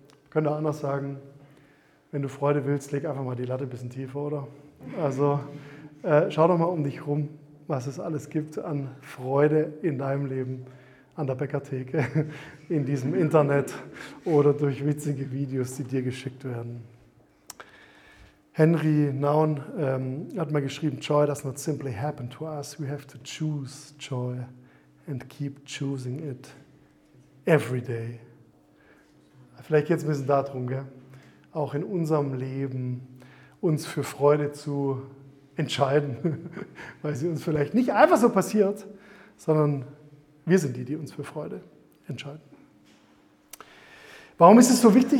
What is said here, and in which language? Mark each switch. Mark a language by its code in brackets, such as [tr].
[de] Könnte anders sagen, wenn du Freude willst, leg einfach mal die Latte ein bisschen tiefer, oder? Also schau doch mal um dich rum, was es alles gibt an Freude in deinem Leben, an der Bäckertheke, in diesem Internet oder durch witzige Videos, die dir geschickt werden. [en] Henry Nouwen [de] hat mal geschrieben, [en] Joy does not simply happen to us, we have to choose joy and keep choosing it every day. [de] Vielleicht geht es ein bisschen darum, gell? Auch in unserem Leben uns für Freude zu entscheiden, weil sie uns vielleicht nicht einfach so passiert, sondern wir sind die, die uns für Freude entscheiden. Warum ist es so wichtig?